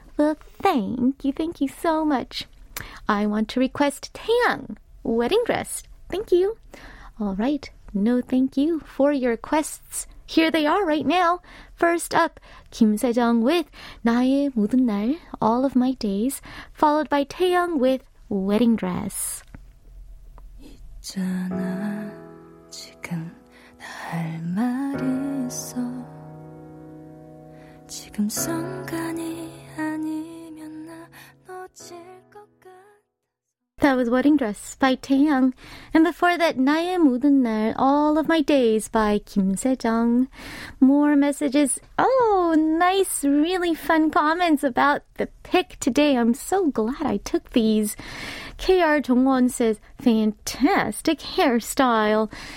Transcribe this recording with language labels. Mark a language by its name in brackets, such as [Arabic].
[English] Well, thank you. Thank you so much. "I want to request Taeyang wedding dress. Thank you." All right. No thank you for your requests. Here they are right now. First up, Kim Sejong with 나의 모든 날, All of My Days, followed by Taeyang with Wedding Dress. [Korean] 있잖아, 지금 나 할 말이 있어. 지금 순간이 아니면 나 놓칠 것 같아. [English] That was Wedding Dress by Taeyang. And before that, 나의 모든 날, All of My Days by Kim Sejong. More messages. Oh, nice, really fun comments about the pick today. I'm so glad I took these. KR Jongwon says, "Fantastic hairstyle."